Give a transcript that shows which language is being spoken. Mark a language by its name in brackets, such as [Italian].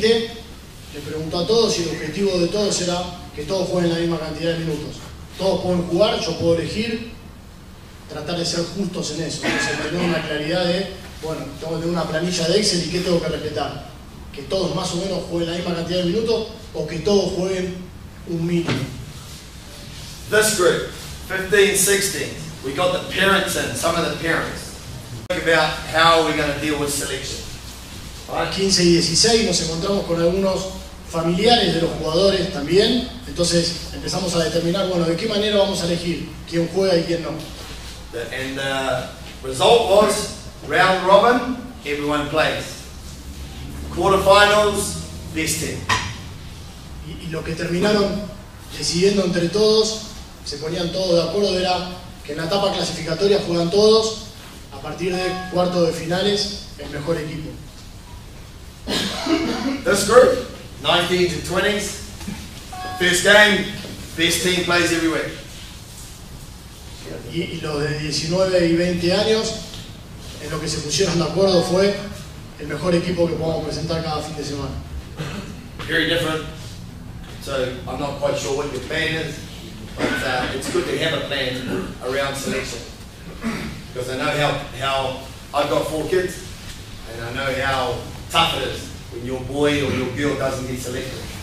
[Spanish] Le preguntó a todos si el objetivo de todos era que todos jueguen la misma cantidad de minutos. Todos pueden jugar, yo puedo elegir. Tratar de ser justos en eso, entonces tener una claridad de, bueno, tengo que tener una planilla de Excel y qué tengo que respetar. Que todos más o menos jueguen la misma cantidad de minutos o que todos jueguen un mínimo. [English] This group, 15, 16, we got the parents in, some of the parents. Think about how we're going to deal with selection. [Spanish] Para 15 y 16 nos encontramos con algunos familiares de los jugadores también, entonces empezamos a determinar, bueno, de qué manera vamos a elegir quién juega y quién no. [English] And the result was round robin, everyone plays. Quarterfinals, best team. [Spanish] Y lo que terminaron decidiendo entre todos, se ponían todos de acuerdo, era que en la etapa clasificatoria juegan todos, a partir de cuartos de finales, el mejor equipo. [English] This group, 19 to 20s, first game, best team plays everywhere. [Spanish] Y los de 19 y 20 años, en lo que se pusieron de acuerdo fue el mejor equipo que podamos presentar cada fin de semana. [English] Very different. So I'm not quite sure what your plan is, but it's good to have a plan around selection. Because I know how I've got 4 kids, and I know how tough it is when your boy or your girl doesn't get selected.